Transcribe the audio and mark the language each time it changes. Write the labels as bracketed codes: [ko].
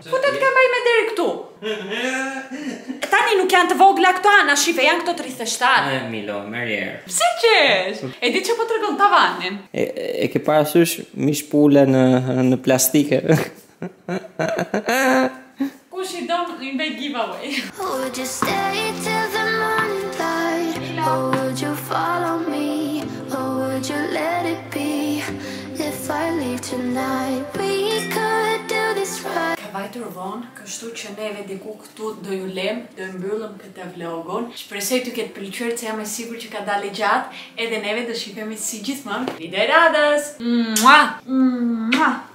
[sq] Futet ka bëj me deri këtu. Tani nuk janë të vogla këto ana, shife, janë këto 37. E Milo, merr erë. Pse qesh? E di që po tregon tavanin. E ke parasysh mish pule në plastike. Kush i don i bëj giveaway. [en] Would you stay till the morning light? Or would you follow me? You let it be if I leave tonight we could do this right. [sq] Ka vajtur von, kështu që neve diku këtu do ju lem, do mbyllëm këtë vlogun. Shpresoj t'ju ketë pëlqyer, se jam e sigurt që ka dalë gjatë, edhe neve do shihemi si gjithmonë. Liderados. Mua. Mua.